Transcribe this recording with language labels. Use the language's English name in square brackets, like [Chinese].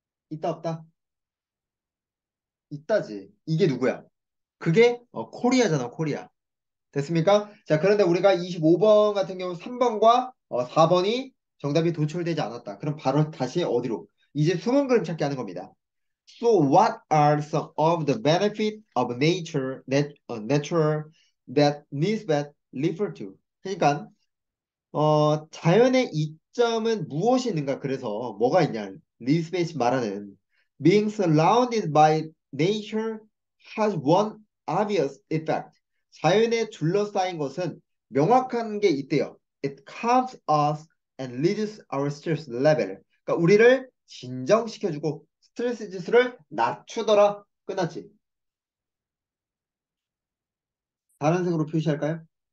[Korean] 있다 없다? 있다지. 이게 누구야? 그게 코리아잖아, 코리아. 됐습니까? 자, 그런데 우리가 25번 같은 경우 3번과 4번이 정답이 도출되지 않았다. 그럼 바로 다시 어디로? 이제 숨은 그림 찾기 하는 겁니다. [English] So what are some of the benefits of nature that natural that Nisbet refer to? [Korean] 그러니까 자연의 이점은 무엇이 있는가? 그래서 뭐가 있냐? 리스벳이 말하는 [English] being surrounded by nature has one obvious effect. [Korean] 자연에 둘러싸인 것은 명확한 게 있대요. [English] It calms us and reduces our stress level. [Korean] 그러니까 우리를 진정시켜주고 스트레스 지수를 낮추더라. 끝났지? 다른 색으로 표시할까요?